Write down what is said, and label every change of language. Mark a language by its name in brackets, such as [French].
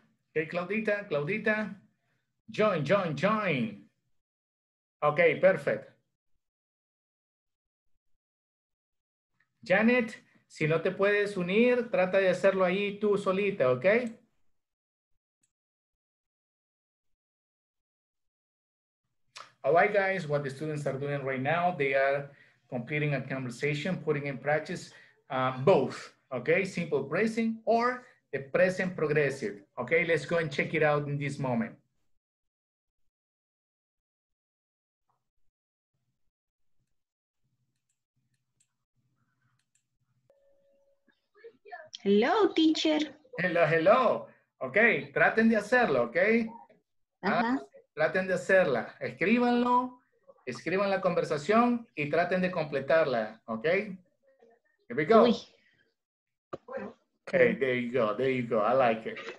[English] Okay, Claudita, Claudita, join, join, join. Okay, perfect. [Spanish] Janet, si no te puedes unir, trata de hacerlo ahí tú solita, okay? [English] All right, guys, what the students are doing right now, they are completing a conversation, putting in practice both, okay? Simple present or the present progressive. Okay, let's go and check it out in this moment. Hello, teacher. Hello, hello. Okay, traten de hacerlo, okay? [Spanish] Traten de hacerla. Escríbanlo, escriban la conversación y traten de completarla, okay? [English] Here we go. Uy. Okay, there you go, there you go. I like it.